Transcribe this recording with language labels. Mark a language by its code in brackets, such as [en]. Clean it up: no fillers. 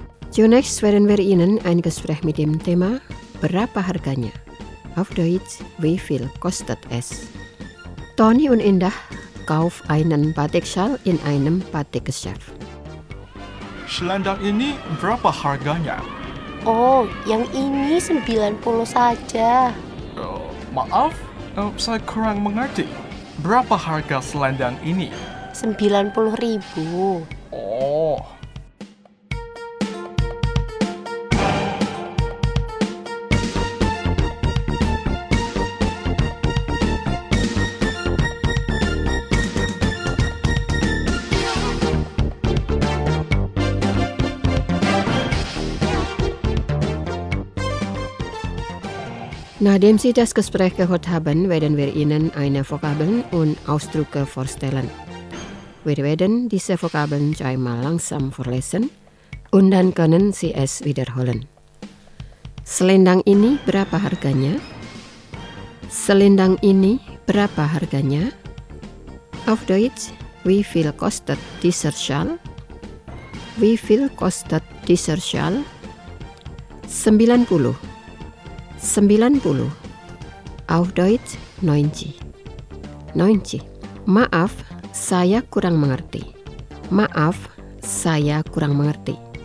[de] Zunächst werden wir Ihnen ein Gespräch mit dem Thema [id] Berapa harganya? [de] Auf Deutsch, wie viel kostet es? Toni und Indah kauf einen Batik-Schal in einem Batik-Geschäft. [id] Selendang ini berapa harganya? Oh, yang ini 90 saja. Maaf, saya kurang mengerti. Berapa harga selendang ini? 90.000. Oh. [de] Nachdem Sie das Gespräch gehört haben, werden wir Ihnen eine Vokabeln und Ausdrücke vorstellen. Wir werden diese Vokabeln zweimal langsam vorlesen und dann können Sie es wiederholen. [id] Selendang ini berapa harganya? Selendang ini berapa harganya? [de] Auf Deutsch, wie viel kostet dieser Schal? Wie viel kostet dieser Schal? 90. 90. Auf Deutsch 90. [id] Maaf, saya kurang mengerti. Maaf, saya kurang mengerti.